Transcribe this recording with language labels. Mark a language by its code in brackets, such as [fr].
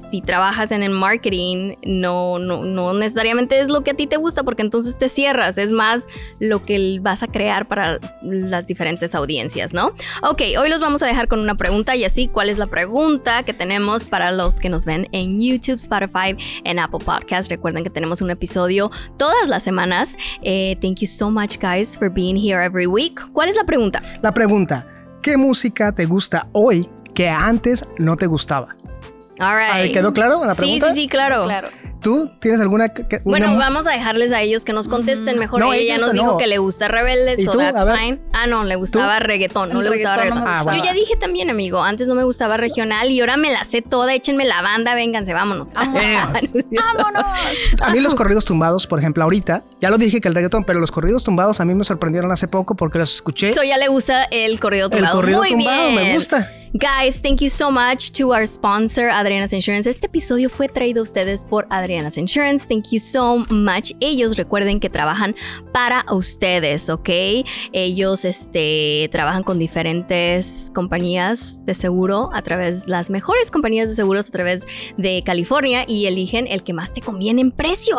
[es] si trabajas en el marketing, no necesariamente es lo que a ti te gusta, porque entonces te cierras. Es más lo que vas a crear para las diferentes audiencias, ¿no? Ok, hoy los vamos a dejar con una pregunta. Y así, ¿cuál es la pregunta que tenemos para los que nos ven en YouTube, Spotify, en Apple Podcasts? Recuerden que tenemos un episodio todas las semanas. [en] Thank you so much, guys, for being here every week. [es] ¿Cuál es la pregunta? La pregunta, ¿qué música te gusta hoy que antes no te gustaba? [en] All right. [es] ¿Quedó claro la pregunta? Sí, claro. ¿Tú tienes alguna? Vamos a dejarles a ellos que nos contesten. Mejor no, ella nos dijo que le gusta Rebelde, [en] so that's fine. [es] Ah, no, le gustaba reggaetón. No le gustaba reggaetón. Yo ya dije también, amigo, antes no me gustaba regional y ahora me la sé toda. Échenme la banda, vénganse, vámonos. ¡Vámonos! A mí los corridos tumbados, por ejemplo, ahorita, ya lo dije que el reggaetón, pero los corridos tumbados a mí me sorprendieron hace poco porque los escuché. Eso ya le gusta el corrido tumbado. El corrido tumbado, bien. Me gusta. [en] Guys, thank you so much to our sponsor, Adriana's Insurance. [es] Este episodio fue traído a ustedes por Adriana's Insurance. [en] Thank you so much. [es] Ellos recuerden que trabajan para ustedes, ¿ok? Ellos trabajan con diferentes compañías de seguro a través de las mejores compañías de seguros a través de California y eligen el que más te conviene en precio.